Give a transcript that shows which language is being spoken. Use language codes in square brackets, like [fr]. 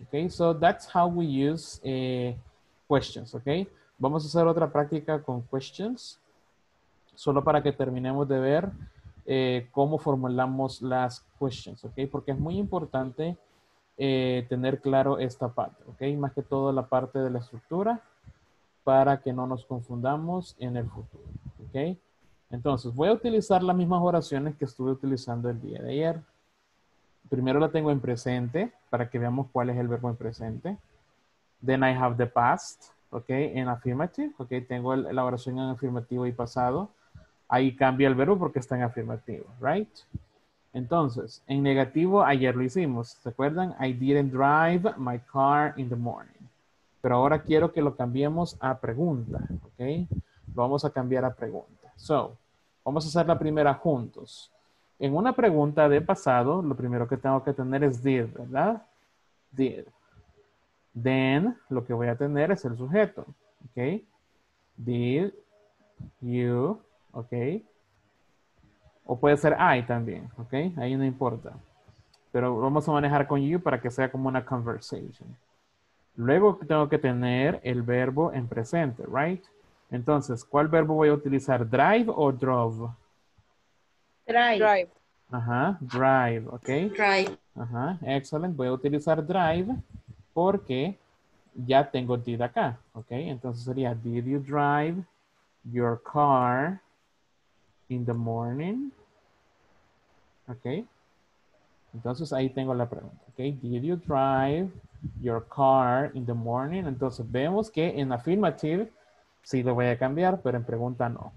[en] Ok, so that's how we use questions, ok. [es] Vamos a hacer otra práctica con questions. Solo para que terminemos de ver cómo formulamos las questions, ¿ok? Porque es muy importante tener claro esta parte, ¿ok? Más que todo la parte de la estructura para que no nos confundamos en el futuro, ¿ok? Entonces, voy a utilizar las mismas oraciones que estuve utilizando el día de ayer. Primero la tengo en presente para que veamos cuál es el verbo en presente. [en] Then I have the past, [es] ¿ok? En affirmative, ¿ok? Tengo la oración en afirmativo y pasado. Ahí cambia el verbo porque está en afirmativo, ¿right? Entonces, en negativo, ayer lo hicimos, ¿se acuerdan? [en] I didn't drive my car in the morning. [es] Pero ahora quiero que lo cambiemos a pregunta, ¿ok? Lo vamos a cambiar a pregunta. So, vamos a hacer la primera juntos. En una pregunta de pasado, lo primero que tengo que tener es did, ¿verdad? Did. Then, lo que voy a tener es el sujeto, ¿ok? Did you, ¿ok? O puede ser I también, ¿ok? Ahí no importa. Pero vamos a manejar con you para que sea como una conversation. Luego tengo que tener el verbo en presente, ¿right? Entonces, ¿cuál verbo voy a utilizar? ¿Drive o drove? [en] Drive. Ajá, drive, ¿ok? Drive. Ajá, excellent. [es] Voy a utilizar drive porque ya tengo did acá, ¿ok? Entonces sería, [en] did you drive your car in the morning? Ok. [es] Entonces ahí tengo la pregunta. [en] Ok. Did you drive your car in the morning? [es] Entonces vemos que en affirmative sí lo voy a cambiar, pero en pregunta no.